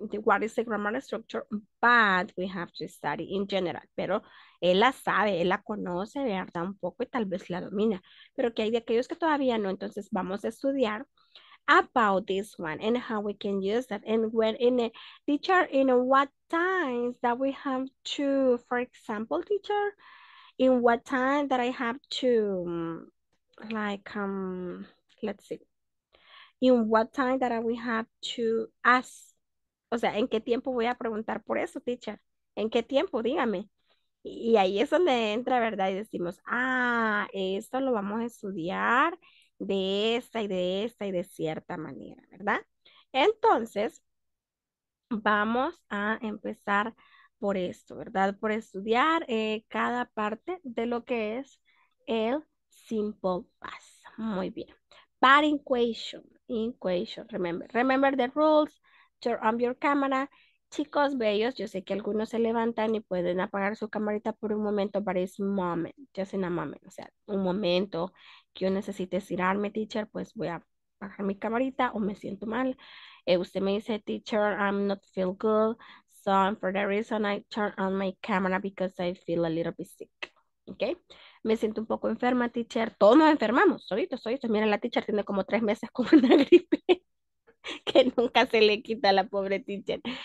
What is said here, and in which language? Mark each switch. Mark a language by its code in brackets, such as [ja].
[en] what is the grammar structure, but we have to study in general. [es] Pero él la sabe, él la conoce, ¿verdad? Un poco y tal vez la domina. Pero que hay de aquellos que todavía no, entonces vamos a estudiar [en] about this one and how we can use that. And when in a teacher, in a what times that we have to, for example, teacher, in what time that I have to, like, let's see. In what time that we have to ask? [es] O sea, ¿en qué tiempo voy a preguntar por eso, teacher? ¿En qué tiempo? Dígame. Y ahí es donde entra, ¿verdad? Y decimos, ah, esto lo vamos a estudiar de esta y de esta y de cierta manera, ¿verdad? Entonces, vamos a empezar por esto, ¿verdad? Por estudiar cada parte de lo que es el simple past. Muy bien. [en] But in question, remember. Remember the rules. Turn on your camera. [es] Chicos bellos, yo sé que algunos se levantan y pueden apagar su camarita por un momento, [en] but it's moment, just in a moment. [es] O sea, un momento que yo necesite estirarme, teacher, pues voy a apagar mi camarita o me siento mal. Usted me dice, [en] teacher, I'm not feel good. So for that reason, I turn on my camera because I feel a little bit sick. [es] Okay? Me siento un poco enferma, teacher. Todos nos enfermamos. Solito. Miren, la teacher tiene como 3 meses con una gripe. Que nunca se le quita a la pobre teacher.